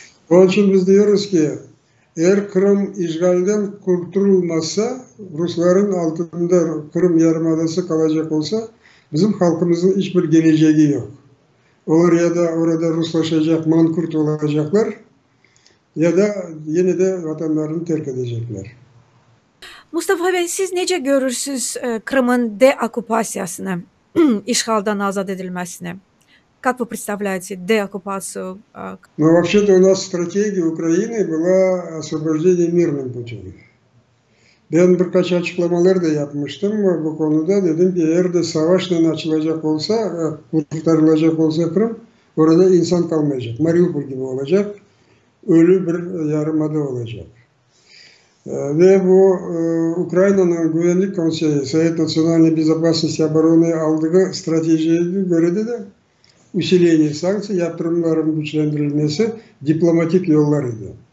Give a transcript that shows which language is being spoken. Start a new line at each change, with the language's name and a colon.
Turkish: Onun için biz diyoruz ki eğer Kırım işgalden kurtulmazsa, Rusların altında Kırım Yarımadası kalacak olsa bizim halkımızın hiçbir geleceği yok. Olur ya da orada Ruslaşacak, mankurt olacaklar ya da yine de vatanlarını terk edecekler. Mustafa Bey, siz nece görürsünüz Kırım'ın deokupasyasını, işgalden azat edilmesini?
Russian: Как вы представляете деоккупацию Но вообще-то у нас стратегия Украины была освобождение мирным путем.
Turkish: Ben birkaç açıklamalar da yapmıştım bu konuda. Dedim ki eğer de savaşla açılacak olsa, kurtarılacak olsa Kırım, orada insan kalmayacak. Mariupol gibi olacak. Ölü bir yarımada olacak. Ve bu Ukrayna'nın Güvenlik Konseyi,
Russian: Совет национальной безопасности и обороны
Turkish: aldığı stratejiye göre de usilenie sanksi, yaptırımların güçlendirilmesi diplomatik yollarıydı.